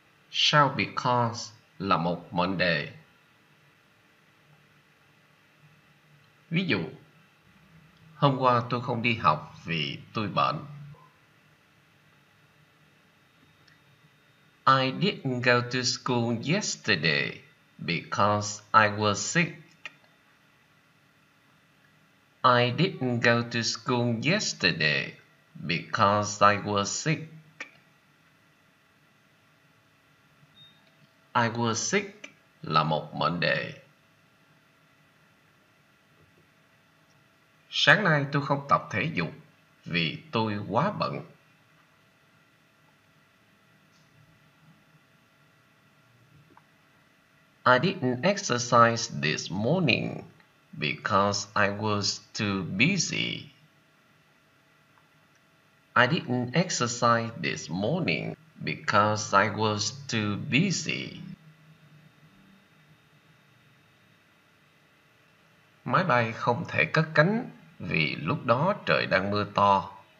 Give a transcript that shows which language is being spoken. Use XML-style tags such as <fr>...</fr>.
<vi>Sao because là một mệnh đề. Ví dụ, hôm qua tôi không đi học vì tôi bệnh.</vi> <en>I didn't go to school yesterday because I was sick. I didn't go to school yesterday because I was sick. I was sick</en> <vi>là một mệnh đề. Sáng nay tôi không tập thể dục vì tôi quá bận.</vi> <en>I didn't exercise this morning because I was too busy. I didn't exercise this morning because I was too busy.</en> <vi>Máy bay không thể cất cánh vì lúc đó trời đang mưa to.</vi>